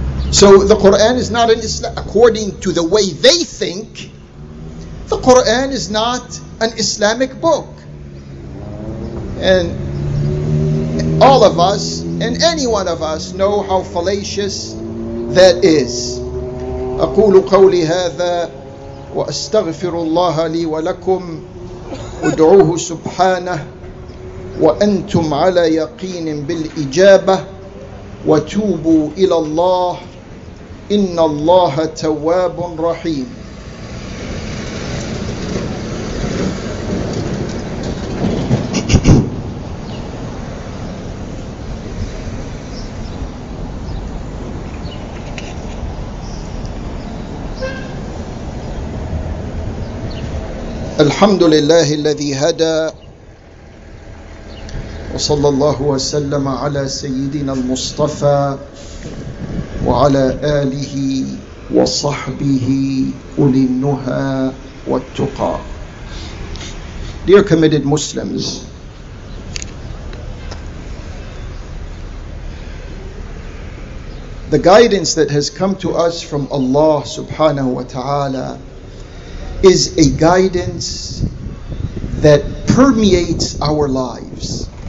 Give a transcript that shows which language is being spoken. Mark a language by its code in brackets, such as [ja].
[en] So the Quran is not an Islam, according to the way they think, the Quran is not an Islamic book. And all of us, and any one of us, know how fallacious that is. [ar] أقول قولي هذا وأستغفر الله لي ولكم ودعوه سبحانه وأنتم على يقين بالإجابة وتوبوا إلى الله إن الله تواب رحيم. الحمد لله الذي هدى وصلى الله وسلم على سيدنا المصطفى وعلى آله وصحبه أولي النهى والتقى. [en] Dear committed Muslims, the guidance that has come to us from Allah subhanahu wa ta'ala is a guidance that permeates our lives.